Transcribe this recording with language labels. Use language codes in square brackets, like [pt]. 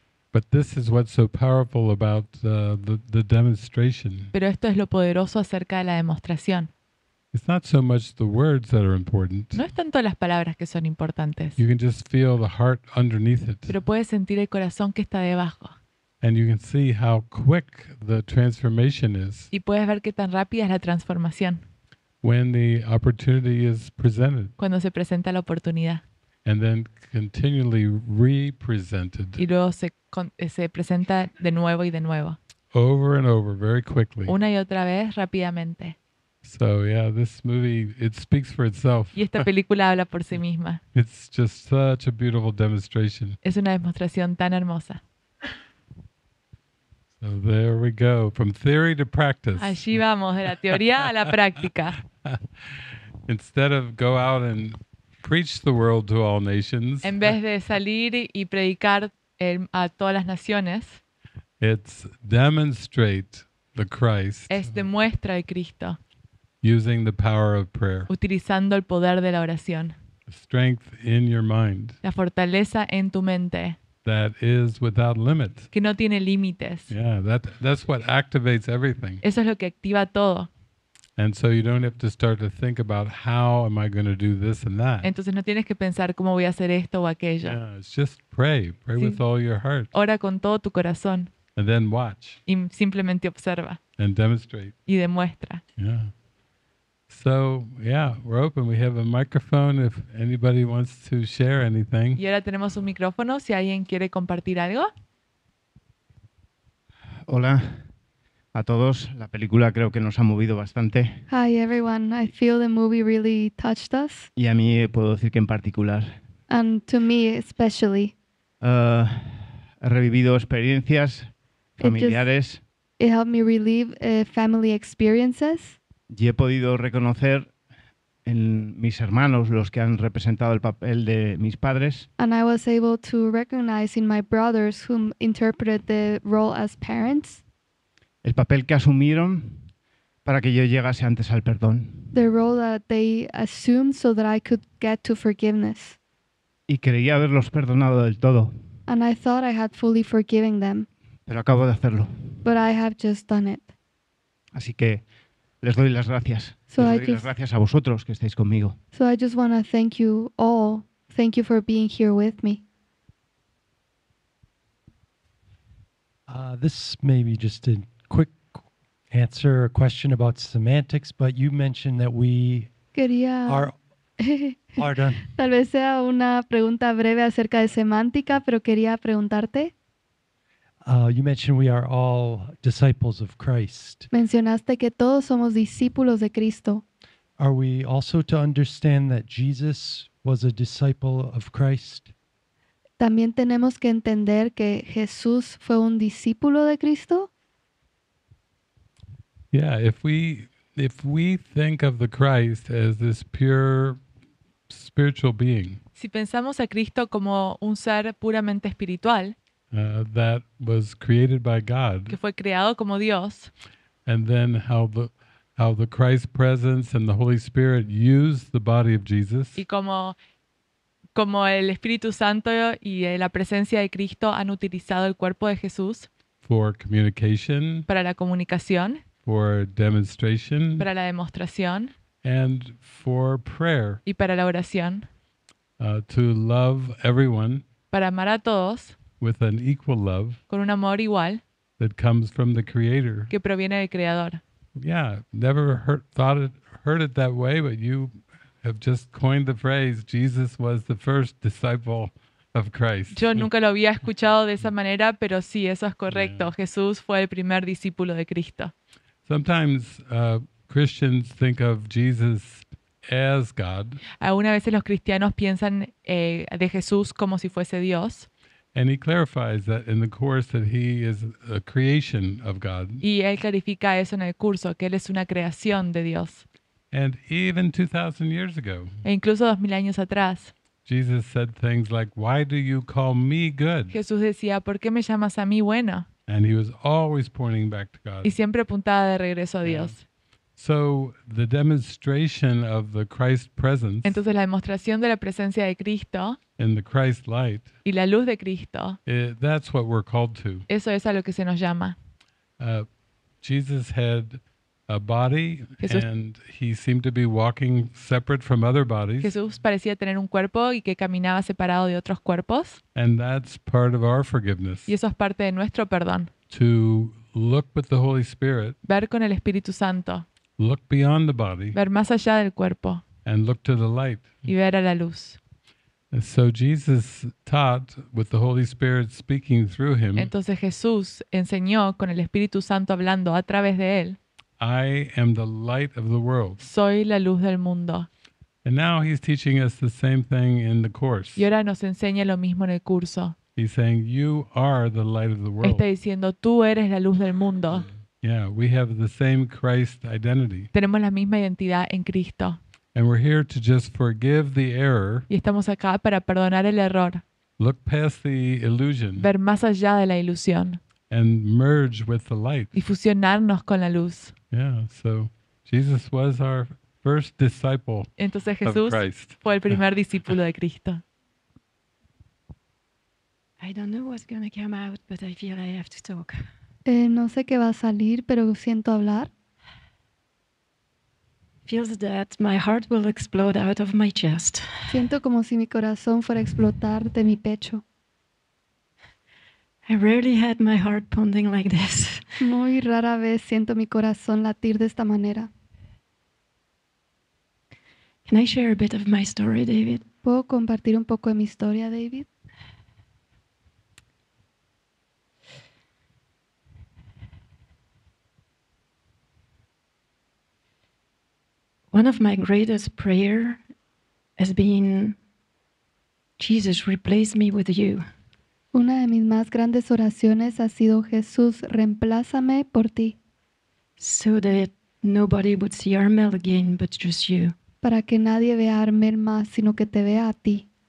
[en] But this is what's so powerful about the demonstration. [es] Pero esto es lo poderoso acerca de la demostración. [en] It's not so much the words that are important. [es] No es tanto las palabras que son importantes. [en] You can just feel the heart underneath it. [es] Pero puedes sentir el corazón que está debajo. [en] And you can see how quick the transformation is. [es] Y puedes ver qué tan rápida es la transformación. [en] When the opportunity is presented. [es] Cuando se presenta la oportunidad. [en] And then continually re-presented. [es] Y luego se presenta de nuevo y de nuevo. [en] Over and over, very quickly. [es] Una y otra vez, rápidamente. [en] So yeah, this movie, it speaks for itself. [es] Y esta película habla por sí misma. [en] It's just such a beautiful demonstration. [es] Es una demostración tan hermosa. [en] So there we go, from theory to practice. [es] Allí vamos, de la teoría a la práctica. [en] Instead of go out and preach the world to all nations. [es] En vez de salir y predicar a todas las naciones. [en] It's demonstrate the Christ. [es] Es demuestra el Cristo. [en] Using the power of prayer. [es] Utilizando el poder de la oración. [en] Strength in your mind. [es] La fortaleza en tu mente. [en] That is without limit. [es] Que no tiene límites. [en] Yeah, that's what activates everything. [es] Eso es lo que activa todo. [en] And so you don't have to start to think about how am I going to do this and that. [es] Entonces no tienes que pensar cómo voy a hacer esto o aquello. [en] Yeah, it's just pray sí. With all your heart. [es] Ora con todo tu corazón. [en] And then watch. [es] Y simplemente observa. [en] And demonstrate. [es] Y demuestra. [en] Yeah. So yeah, we're open. We have a microphone if anybody wants to share anything. [es] Y ahora tenemos un micrófono si alguien quiere compartir algo. Hola. A todos, la película creo que nos ha movido bastante. [en] Hi everyone, I feel the movie really touched us. [es] Y a mí puedo decir que en particular. [en] And to me especially. [es] He revivido experiencias familiares. [en] It helped me relive family experiences. [es] Y he podido reconocer en mis hermanos los que han representado el papel de mis padres. [en] And I was able to recognize in my brothers whom interpreted the role as parents. [es] El papel que asumieron para que yo llegase antes al perdón. [en] The role that they assumed so that I could get to forgiveness. [es] Y creía haberlos perdonado del todo. [en] And I thought I had fully forgiven them. [es] Pero acabo de hacerlo. [en] But I have just done it. [es] Así que les doy las gracias. [en] So [es] les doy las gracias a vosotros que estáis conmigo. [en] So I just want to thank you all. Thank you for being here with me. This may be just a quick answer a question about semantics, but you mentioned that we are done. [es] Tal vez sea una pregunta breve acerca de semántica, pero quería preguntarte. [en] You mentioned we are all disciples of Christ. [es] Mencionaste que todos somos discípulos de Cristo. [en] Are we also to understand that Jesus was a disciple of Christ? [es] También tenemos que entender que Jesús fue un discípulo de Cristo. [en] Yeah, if we think of the Christ as this pure spiritual being. [es] Si pensamos a Cristo como un ser puramente espiritual. [en] that was created by God. [es] Que fue creado como Dios. [en] And then how the Christ presence and the Holy Spirit used the body of Jesus. [es] Y como el Espíritu Santo y la presencia de Cristo han utilizado el cuerpo de Jesús. [en] For communication. [es] Para la comunicación. [en] For demonstration. [es] Para la demostración. [en] And for prayer. [es] Y para la oración. [en] To love everyone. [es] Para amar a todos. [en] With an equal love. [es] Con un amor igual. [en] That comes from the Creator. [es] Que proviene del Creador. [en] Yeah, never heard it that way, but you have just coined the phrase, Jesus was the first disciple of Christ. [es] Yo nunca lo había escuchado de esa manera, pero sí, eso es correcto. Yeah. Jesús fue el primer discípulo de Cristo. [en] Sometimes Christians think of Jesus as God. [es] Algunas veces los cristianos piensan de Jesús como si fuese Dios. [en] And he clarifies that in the course that he is a creation of God. [es] Y él clarifica eso en el curso, que él es una creación de Dios. [en] And even 2,000 years ago. [es] E incluso 2,000 años atrás. [en] Jesus said things like, "Why do you call me good?" [es] Jesús decía, ¿por qué me llamas a mí bueno? [en] And he was always pointing back to God. [es] Y siempre apuntaba de regreso a Dios. [en] So the demonstration of the Christ presence. [es] Entonces la demostración de la presencia de Cristo. [en] In the Christ light. [es] Y la luz de Cristo. [en] That's what we're called to. [es] Eso es a lo que se nos llama. [en] Jesus had a body, Jesús, and he seemed to be walking separate from other bodies. [es] Jesús parecía tener un cuerpo y que caminaba separado de otros cuerpos. [en] And that's part of our forgiveness. [es] Y eso es parte de nuestro perdón. [en] To look with the Holy Spirit. [es] Ver con el Espíritu Santo. [en] Look beyond the body. [es] Ver más allá del cuerpo. [en] And look to the light. [es] Y ver a la luz. [en] So Jesus taught with the Holy Spirit speaking through him. [es] Entonces Jesús enseñó con el Espíritu Santo hablando a través de él. [en] I am the light of the world. [es] Soy la luz del mundo. [en] And now he's teaching us the same thing in the course. [es] Y ahora nos enseña lo mismo en el curso. [en] He's saying you are the light of the world. [es] Está diciendo tú eres la luz del mundo. [en] Yeah, we have the same Christ identity. [es] Tenemos la misma identidad en Cristo. [en] And we're here to just forgive the error. [es] Y estamos acá para perdonar el error. [en] Look past the illusion. [es] Ver más allá de la ilusión. [en] And merge with the light. [es] Y fusionarnos con la luz. [en] Yeah, so Jesus was our first disciple. [es] Entonces Jesús fue el primer discípulo de Cristo. [en] I don't know what's going to come out, but I feel I have to talk. [es] No sé qué va a salir, pero siento hablar. [en] Feels that my heart will explode out of my chest. [es] Siento como si mi corazón fuera a explotar de mi pecho. [en] I rarely had my heart pounding like this. [es] Muy rara vez siento mi corazón latir de esta manera. [en] Can I share a bit of my story, David? [es] ¿Puedo compartir un poco de mi historia, David? [en] One of my greatest prayer has been, Jesus, replace me with you. [es] Una de mis más grandes oraciones ha sido, Jesús, reemplázame por ti. [en] So that nobody would see Armel again, but just you. [es] Para que nadie vea a Armel más, sino que te vea a ti.